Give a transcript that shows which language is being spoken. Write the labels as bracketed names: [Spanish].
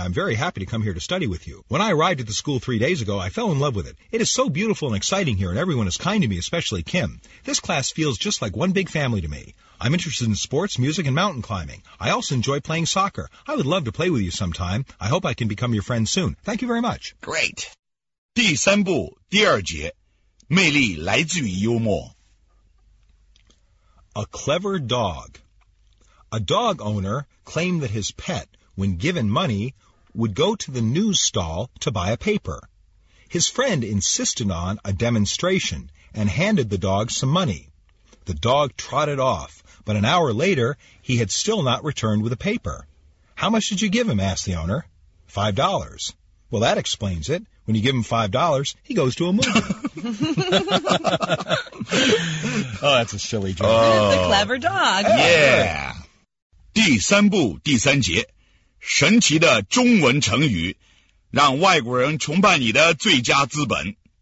[English] I'm very happy to come here to study with you. When I arrived at the school 3 days ago, I fell in love with it. It is so beautiful and exciting here, and everyone is kind to me, especially Kim. This class feels just like one big family to me. I'm interested in sports, music, and mountain climbing. I also enjoy playing soccer. I would love to play with you sometime. I hope I can become your friend soon. Thank you very much. Great. [Chinese] 第三部第二节，魅力来自于幽默。 [English] A clever dog. A dog owner claimed that his pet, when given money, would go to the news stall to buy a paper. His friend insisted on a demonstration and handed the dog some money. The dog trotted off, but an hour later, he had still not returned with a paper. How much did you give him? Asked the owner. $5. Well, that explains it. When you give him $5, he goes to a movie. Oh, that's a silly joke. Oh. The clever dog. Yeah. [Chinese] 第三部第三节，神奇的中文成语，让外国人崇拜你的最佳资本。